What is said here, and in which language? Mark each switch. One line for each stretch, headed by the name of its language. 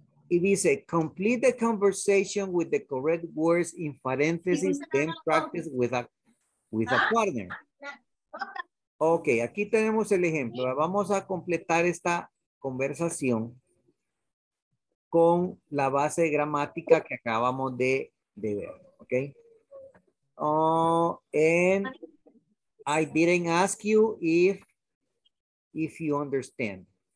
Spanish: Y dice,
English: complete the conversation with the correct words in parentheses, then practice with a partner.
Spanish: Ok, aquí tenemos el ejemplo. Vamos a completar esta conversación con la base gramática que acabamos de ver. Ok.
English: And I didn't ask you if you understand.